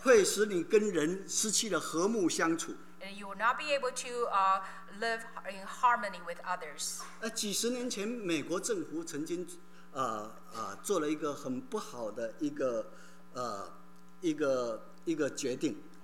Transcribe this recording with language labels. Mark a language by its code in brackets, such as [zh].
[zh] 会使你跟人失去了和睦相处。 [en] And you will not be able to live in harmony with others. [zh] 几十年前美国政府曾经做了一个很不好的一个决定。